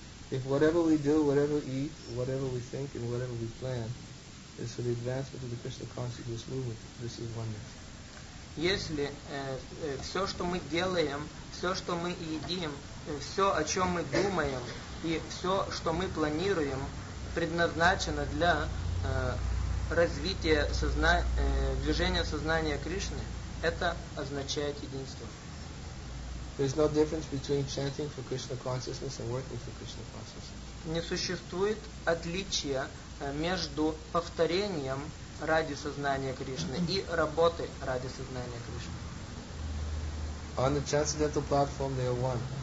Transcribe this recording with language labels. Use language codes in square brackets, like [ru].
[en] If whatever we do, whatever we eat, whatever we think, and whatever we plan is for the advancement of the Krishna consciousness movement, this is oneness. [ru] Если все, что мы делаем, все, что мы едим, все, о чем мы думаем, и все, что мы планируем, предназначено для развития движения сознания Кришны, это означает единство. [en] There's no difference between chanting for Krishna consciousness and working for Krishna consciousness. [ru] Не существует отличия между повторением ради сознания Кришны и работой ради сознания Кришны. [en] On the transcendental platform, they are one.